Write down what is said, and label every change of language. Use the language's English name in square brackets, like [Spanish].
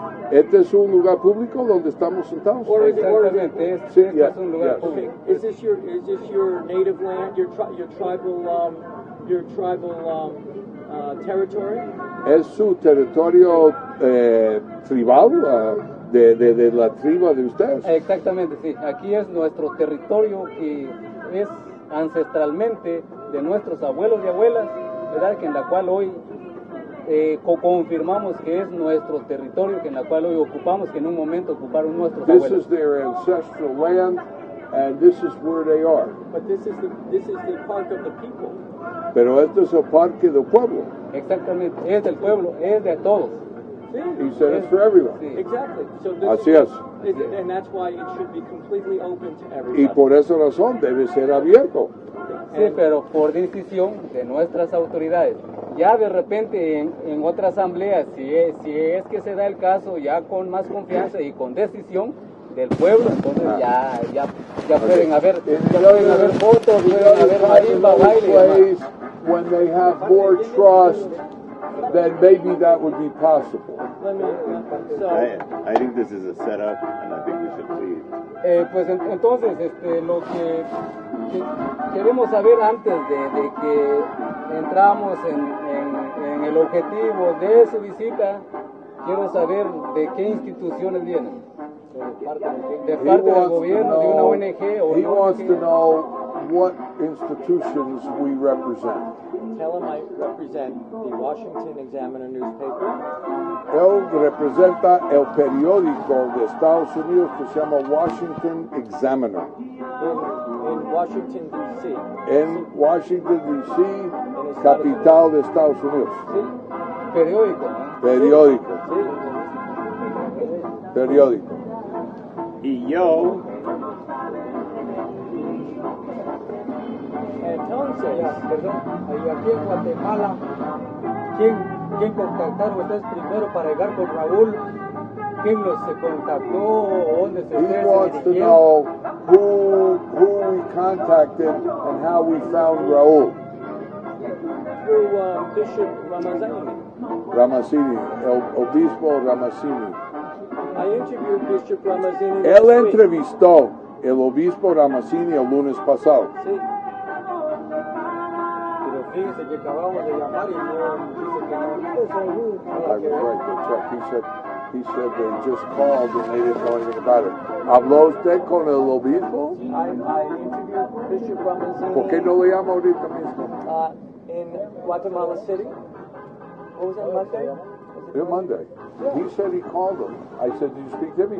[Spanish] ¿Este es un lugar público donde estamos sentados? [English] Or is it [Spanish] sí, yeah, es un lugar [English] yes. Okay. Is this your native land, your tribal territory? [Spanish] ¿Es su territorio tribal? De la tribu de ustedes. Exactamente, sí. Aquí es nuestro territorio que es ancestralmente de nuestros abuelos y abuelas, ¿verdad? Que en la cual hoy confirmamos que es nuestro territorio, que en la cual hoy ocupamos, que en un momento ocuparon nuestros [English] this [Spanish] abuelos. [English] This is their ancestral land, and this is where they are. But this is the part of the people. [Spanish] Pero esto es el parque del pueblo. Exactamente, es del pueblo, es de todos. [English] He said it's for everyone. Exactly. So [Spanish] this Así es. [English] And that's why it should be completely open to everybody. [Spanish] Y por esa razón debe ser abierto. Sí, pero por decisión de nuestras autoridades. Ya de repente en otra asamblea, si es que se da el caso, ya con más confianza y con decisión del pueblo, entonces ya pueden haber votos, pueden haber marimba, baile. [English] When they have more trust, then maybe that would be possible. I think this is a setup, and I think we should leave. [Spanish] Pues entonces, lo que queremos saber antes de que entramos en el objetivo de su visita, quiero saber de qué instituciones viene. [English] He wants to know what institutions we represent. Tell him I represent the Washington Examiner newspaper. [Spanish] Él representa el periódico de Estados Unidos que se llama Washington Examiner. [English] In Washington, D.C. In Washington, D.C., [Spanish] capital de Estados Unidos. Sí. Periódico. Periódico. Sí. Periódico. Y yo. Entonces, perdón, aquí en Guatemala, ¿quién contactaron ustedes primero para llegar con Raúl? ¿Quién los contactó? ¿Dónde se dirigieron? [English] He wants to know who we contacted and how we found Raúl. Through Bishop Ramazzini. [Spanish] Ramazzini, el obispo Ramazzini. [English] I interviewed Bishop Ramazzini. [Spanish] Él entrevistó el obispo Ramazzini el lunes pasado. Sí. Pero fíjese que acabamos de llamar y no dice que no. [English] He said they just called and they didn't know anything about it. [Spanish] ¿Habló usted con el obispo? [English] I interviewed Bishop Ramazzini. [Spanish] ¿Por qué no le llamo ahorita mismo? [English] In Guatemala City. What was that, Monday? Monday. Yeah. He said he called him. I said, did you speak to him?